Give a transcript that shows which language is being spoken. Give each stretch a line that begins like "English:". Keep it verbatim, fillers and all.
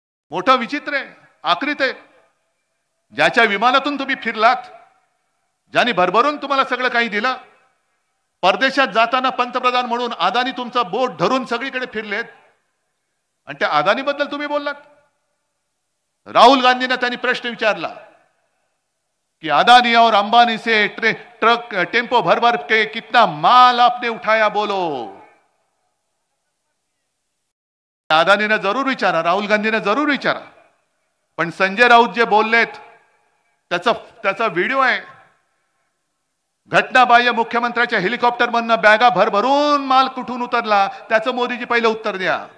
Marathi: मोठं विचित्र आहे, आक्रीत आहे. ज्याच्या विमानातून तुम्ही फिरलात, ज्याने भरभरून तुम्हाला सगळं काही दिलं, परदेशात जाताना पंतप्रधान म्हणून अदानी तुमचं बोट धरून सगळीकडे फिरलेत आणि त्या अदानीबद्दल तुम्ही बोललात. राहुल गांधींना त्यांनी प्रश्न विचारला कि
Hindi: अदानी और अंबानी से ट्रे ट्रक टेम्पो भर भर के कितना माल आपने उठाया बोलो.
Marathi: अदानीने जरूर विचारा, राहुल गांधीने जरूर विचारा. पण संजय राऊत जे बोललेत त्याचा त्याचा व्हिडिओ आहे. घटनाबाह्य मुख्यमंत्र्याच्या हेलिकॉप्टरमधनं बॅगा भरभरून माल कुठून उतरला त्याचं मोदीजी पहिलं उत्तर द्या.